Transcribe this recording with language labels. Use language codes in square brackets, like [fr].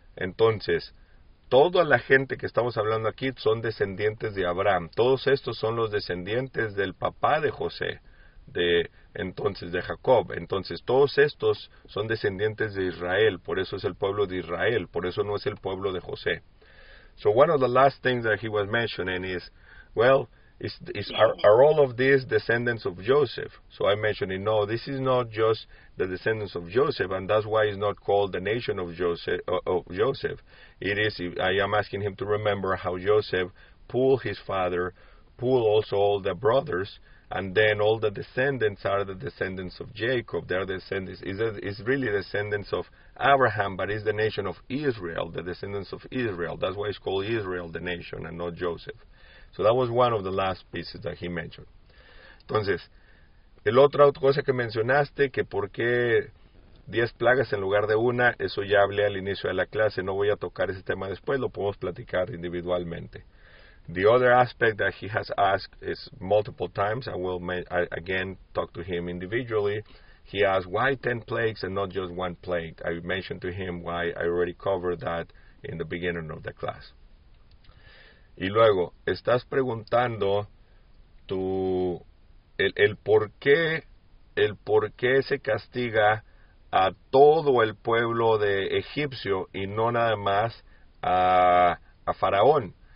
[es] Entonces, toda la gente que estamos hablando aquí son descendientes de Abraham. Todos estos son los descendientes del papá de José, de Jacob. Entonces, todos estos son descendientes de Israel. Por eso es el pueblo de Israel. Por eso no es el pueblo de José. [en] So one of the last things that he was mentioning is, well, are all of these descendants of Joseph? So I mentioned, no, this is not just the descendants of Joseph, and that's why it's not called the nation of Joseph. It is, I am asking him to remember how Joseph pulled his father, pulled also all the brothers, and then all the descendants are the descendants of Jacob. They're descendants, it's really descendants of Abraham, but it's the nation of Israel, the descendants of Israel. That's why it's called Israel, the nation, and not Joseph. So that was one of the last pieces that he mentioned. [es] Entonces, el otra cosa que mencionaste, que por qué 10 plagas en lugar de una, eso ya hablé al inicio de la clase, no voy a tocar ese tema después, lo podemos platicar individualmente. [en] The other aspect that he has asked is multiple times, I will again talk to him individually. He asked, why 10 plagues and not just one plague? I mentioned to him why I already covered that in the beginning of the class. [es] Y luego, estás preguntando el por qué se castiga a todo el pueblo de egipcio y no nada más a Faraón.